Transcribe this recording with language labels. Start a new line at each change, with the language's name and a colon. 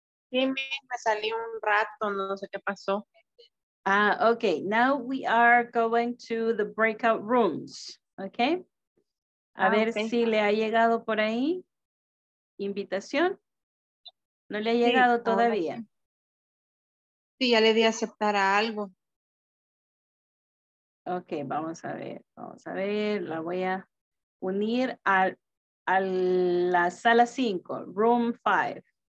Spanish: Sí, me salí un rato, no sé qué pasó.
English: Okay, now we are going to the breakout rooms, okay?
Spanish: A ver si le ha llegado por ahí invitación. ¿No le ha llegado todavía? Sí, ya le di a aceptar a algo. Okay, vamos a ver, la voy a unir a la sala 5,
English: room 5.